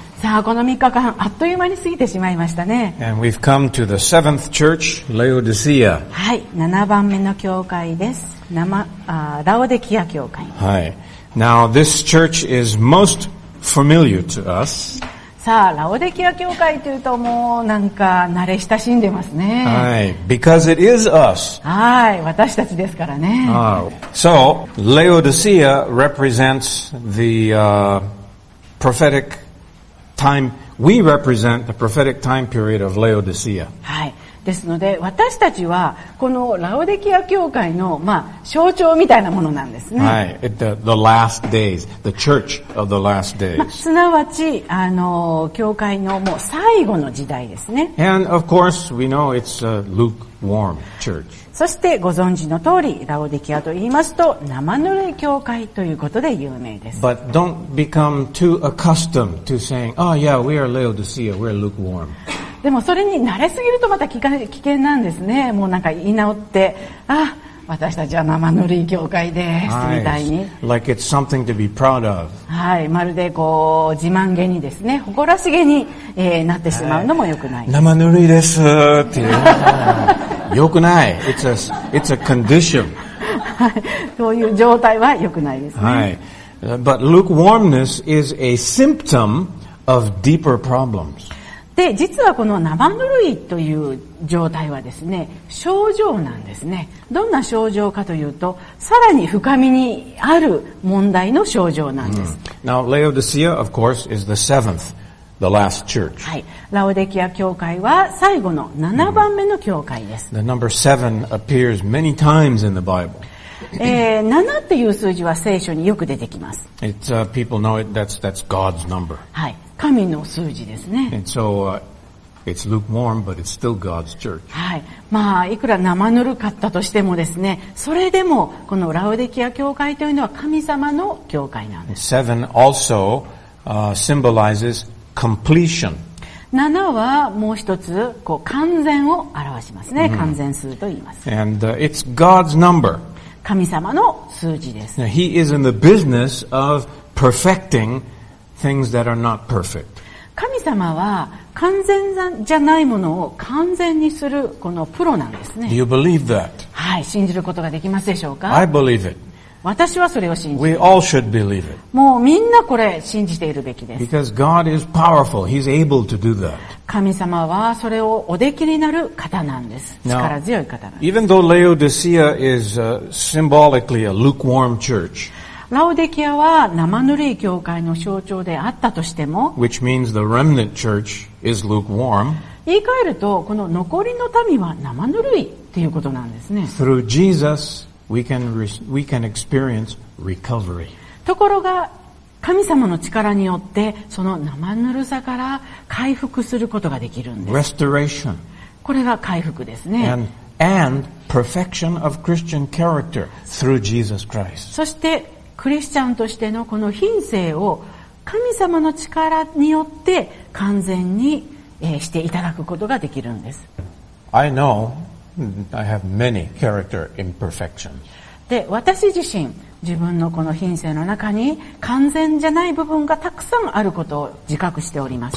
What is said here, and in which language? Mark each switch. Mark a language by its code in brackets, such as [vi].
[ja] さあ、この3日間、あっという間に過ぎてしまいましたね。 [en] And we've come to the seventh church, Laodicea. [ja] はい、7番目の教会です。ラオデキア教会。はい。 [en] Now, this church is most familiar to us. [ja] さあ、ラオデキア教会というと、もうなんか慣れ親しんでますね。 [en] はい、because it is us. [ja] はい、私たちですからね。 [en] So, Laodicea represents the, prophetic time. We represent the prophetic time period of Laodicea. [ja] はい。ですので、私たちは、このラオデキア教会の、まあ、象徴みたいなものなんですね。 [en] はい。The last days. The church of the last days. [ja] まあ、すなわち、教会のもう最後の時代ですね。 [en] And of course, we know it's a lukewarm church. [ja] そして、ご存知の通り、ラオデキアと言いますと、生ぬるい教会ということで有名です。 [en] But don't become too accustomed to saying, oh yeah, we are Laodicea, we're lukewarm. [ja] でもそれに慣れすぎるとまた危険なんですね。もうなんか言い直って、あ、私たちは生ぬるい教会です、みたいに。 [en] Like it's something to be proud of. [ja] はい、まるでこう、自慢げにですね、誇らしげに、なってしまうのも良くない。生ぬるいですっていう。良くない。 [en] It's a condition. [ja] そういう状態は良くないですね。はい。 [en] But lukewarmness is a symptom of deeper problems. [ja] で、実はこの生ぬるいという状態はですね、症状なんですね。どんな症状かというと、さらに深みにある問題の症状なんです。 [en] Now, Laodicea, of course, is the seventh, the last church. [ja] はい。ラオデキア教会は最後の7番目の教会です。 [en] The number seven appears many times in the Bible. [ja] 7っていう数字は聖書によく出てきます。 [en] It's, people know it, that's God's number. [ja] はい。神の数字ですね。 [en] And so, it's lukewarm, but it's still God's church. [ja] はい。まあ、いくら生ぬるかったとしてもですね、それでも、このラオデキア教会というのは神様の教会なんです。 [en] Seven also, symbolizes completion. [ja] 七はもう一つ、こう、完全を表しますね。 Mm-hmm. 完全数と言います。 [en] And, it's God's number. [ja] 神様の数字です。 [en] Now, he is in the business of perfecting things that are not perfect. [ja] 神様は完全じゃないものを完全にするこのプロなんですね。 [en] Do you believe that? [ja] はい、信じることができますでしょうか? [en] I believe it. [ja] 私はそれを信じる。 [en] We all should believe it. [ja] もうみんなこれ信じているべきです。 [en] Because God is powerful. He's able to do that. [ja] 神様はそれをおできになる方なんです。力強い方なんです。 [en] Now, even though Laodicea is symbolically a lukewarm church, [ja] ラオデキアは生ぬるい教会の象徴であったとしても [en] Which means the remnant church is lukewarm. [ja] 言い換えるとこの残りの民は生ぬるいということなんですね。 [en] Through Jesus, we can experience recovery. [ja] ところが神様の力によってその生ぬるさから回復することができるんです。 [en] Restoration. [ja] これが回復ですね。 [en] And perfection of Christian character through Jesus Christ. [ja] そしてクリスチャンとしてのこの品性を神様の力によって完全にしていただくことができるんです。 [en] I know I have many character imperfections. [ja] で、私自身、自分のこの品性の中に完全じゃない部分がたくさんあることを自覚しております。